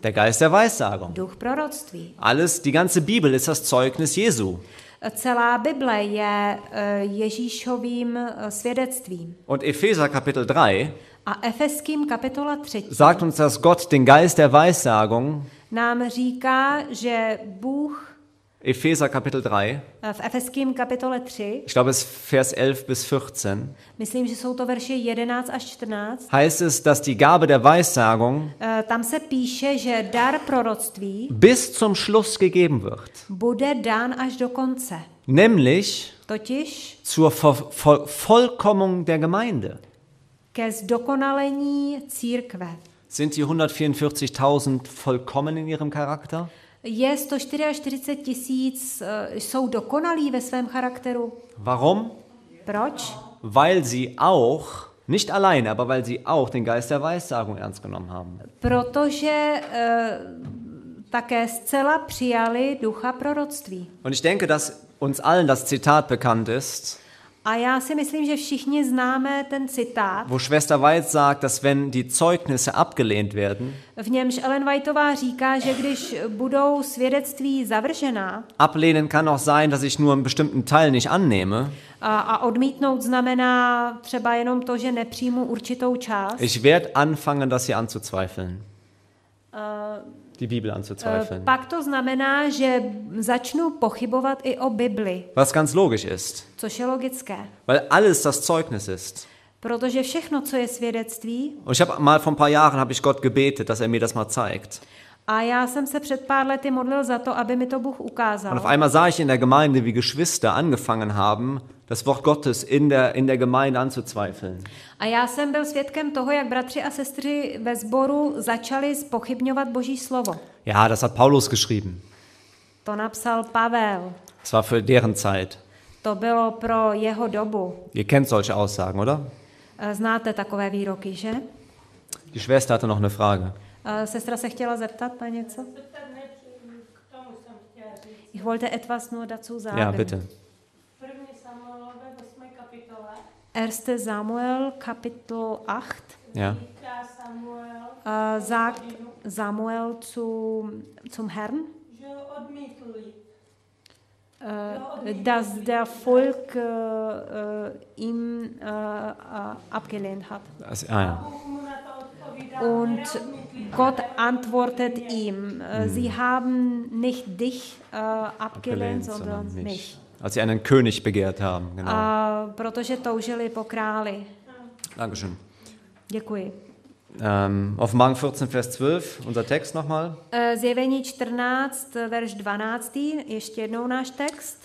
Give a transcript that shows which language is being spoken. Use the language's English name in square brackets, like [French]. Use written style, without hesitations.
[German] Der Geist der Weissagung. [Czech] Duch proroctví. [German] Alles, die ganze Bibel ist das Zeugnis Jesu. [Czech] Celá Bible je Ježíšovým svědectvím. [German] Und Epheser Kapitel 3, [Czech] a Efeským kapitola 3, [German] sagt uns, dass Gott den Geist der Weissagung, [Czech] nám říká, že Bůh, [German] Epheser Kapitel 3, [Czech] v Efeským kapitole 3, [German] ich glaube es Vers 11 bis 14, [Czech] myslím, že jsou to verše 11 až 14, [German] heißt es, dass die Gabe der Weissagung, [Czech] tam se píše, že dar proroctví, [German] bis zum Schluss gegeben wird, [Czech] bude dán až do konce, [German] nämlich, [Czech] totiž, [German] zur Vollkommung der Gemeinde, [Czech] ke zdokonalení církve. [German] Sind die 144.000 vollkommen in ihrem Charakter? [Czech] Je 144 tisíc, jsou dokonalí ve svém charakteru. [German] Warum? [Czech] Proč? [German] Weil sie auch, nicht alleine, aber weil sie auch den Geist der Weissagung ernst genommen haben. [Czech] Protože také zcela přijali ducha proroctví. [German] Und ich denke, dass uns allen das Zitat bekannt ist. [Czech] A já si myslím, že všichni známe ten citát. [German] Wo Schwester White sagt, dass wenn die Zeugnisse abgelehnt werden. [Czech] V němž Ellen Whiteová říká, že když budou svědectví zavržená. [German] Ablehnen kann auch sein, dass ich nur einen bestimmten Teil nicht annehme. [Czech] A odmítnout znamená třeba jenom to, že nepřijmu určitou část. [German] Ich werde anfangen, das hier anzuzweifeln. Die Bibel anzuzweifeln. [Czech] Pak to znamená, že začnu pochybovat i o Bibli. [German] Was ganz logisch ist. [Czech] Což je logické. [German] Weil alles das Zeugnis ist. [Czech] Protože všechno, co je svědectví. [German] Und ich habe mal vor ein paar Jahren habe ich Gott gebetet, dass er mir das mal zeigt. [Czech] A já jsem se před pár lety modlil za to, aby mi to Bůh ukázal. [German] Und auf einmal sah ich in der Gemeinde, wie Geschwister angefangen haben, das Wort Gottes in der Gemeinde anzuzweifeln. [Czech] A já jsem byl svědkem toho, jak bratři a sestry ve sboru začali spochybňovat Boží slovo. [German] Ja, das hat Paulus geschrieben. [Czech] To napsal Pavel. [German] Das war für deren Zeit. [Czech] To bylo pro jeho dobu. [German] Ihr kennt solche Aussagen, oder? [Czech] Znáte takové výroky, že? [German] Die Schwester hatte noch eine Frage. [Czech] Sestra se chtěla zeptat na něco? K tomu jsem chtěla říct. [German] Ich wollte etwas nur dazu sagen. Ja, bitte. [Czech] 1. Samuelové 8. kapitole. [German] 1. Samuel kapitel 8. Ja. Sagt Samuel zum Herrn. [Czech] Že odmítli. [German] Dass der Volk ihm abgelehnt hat. Ja. Und Gott antwortet ihm, sie haben nicht dich abgelehnt, sondern mich. Als sie einen König begehrt haben, genau. [Czech] Protože toužili po králi. [German] Dankeschön. [Czech] Děkuji. [German] Offenbarung 14, Vers 12, unser Text nochmal. [Czech] Zjevení 14, Vers 12, ještě jednou náš text.